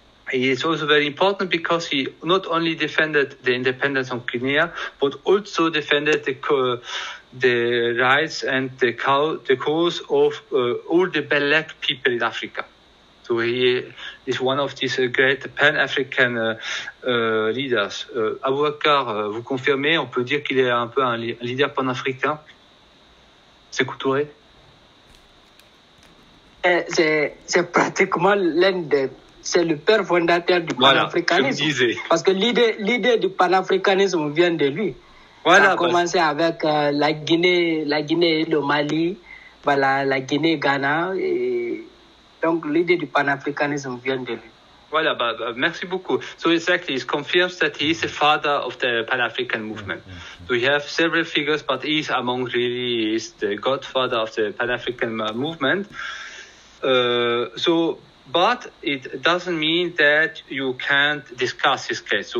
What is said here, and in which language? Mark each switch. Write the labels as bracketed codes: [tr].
[en] He is also very important because he not only defended the independence of Guinea, but also defended the rights and the cause of all the black people in Africa. So he is one of these great pan-African leaders. [fr] Aboubakar, vous confirmez, on peut dire qu'il est un peu un leader pan-africain. Sékou Touré. C'est pratiquement l'un des... C'est le père fondateur du panafricanisme. Voilà, je me disais. Parce que l'idée du panafricanisme vient de lui. Voilà, ça a commencé avec la Guinée, le Mali, voilà, la Guinée, Ghana. Et donc l'idée du panafricanisme vient de lui. Voilà, merci beaucoup. [en] So exactly, it confirms that he is the father of the Pan-African movement. So we have several figures, but he is among really is the godfather of the Pan-African movement. But it doesn't mean that you can't discuss his case.